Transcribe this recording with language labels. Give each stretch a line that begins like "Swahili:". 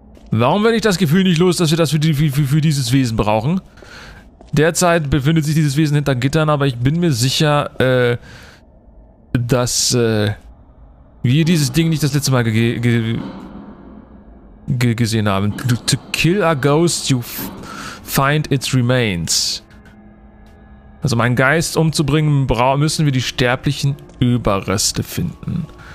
German: Warum werde ich das Gefühl nicht los, dass wir das für dieses Wesen brauchen? Derzeit befindet sich dieses Wesen hinter Gittern, aber ich bin mir sicher, dass wir dieses Ding nicht das letzte Mal gesehen haben.
English: To kill a ghost, you find its remains.
German: Also, um einen Geist umzubringen, müssen wir die sterblichen Überreste finden.